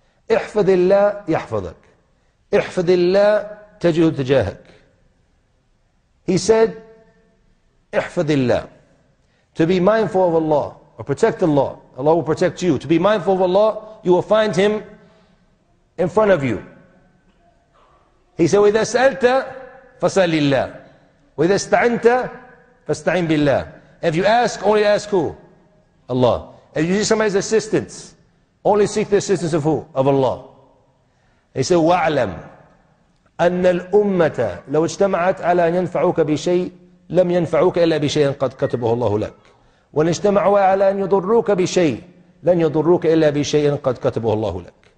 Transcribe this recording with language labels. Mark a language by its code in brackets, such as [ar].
[ar] احفظ الله يحفظك. احفظ الله تجد تجاهك. [en] He said, [ar] احفظ الله. [en] To be mindful of Allah, or protect Allah. Allah will protect you. To be mindful of Allah, you will find Him in front of you. He said, [ar] وإذا سألت فسأل الله. وإذا استعنت فاستعين بالله. [en] If you ask, only ask who? Allah. If you see somebody's assistance, only seek the assistance of who? Of Allah. He said, [ar] وَعْلَمْ أَنَّ الْأُمَّةَ لَوْ اجْتَمَعَتْ عَلَىٰ أَنْ يَنْفَعُوكَ بِشَيْءٍ لَمْ يَنْفَعُوكَ إِلَّا بِشَيْءٍ قَدْ كَتَبُهُ اللَّهُ لَكَ وَإِنْ اجْتَمَعُوا عَلَىٰ أَنْ يَضُرُّوكَ بِشَيْءٍ لَنْ يَضُرُّوكَ إِلَّا بِشَيْءٍ قَدْ كَتَبُهُ اللَّهُ لَكَ.